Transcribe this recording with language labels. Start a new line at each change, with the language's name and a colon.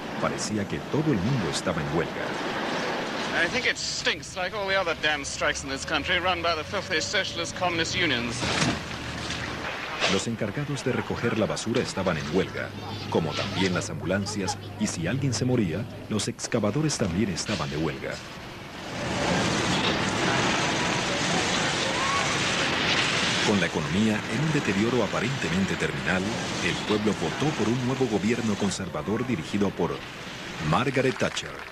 Spanish: Parecía que todo el mundo estaba en huelga.
English: I think it stinks like all the other damn strikes in this country run by the filthy socialist communist unions.
Spanish: Los encargados de recoger la basura estaban en huelga, como también las ambulancias, y si alguien se moría, los excavadores también estaban de huelga. Con la economía en un deterioro aparentemente terminal, el pueblo votó por un nuevo gobierno conservador dirigido por Margaret Thatcher.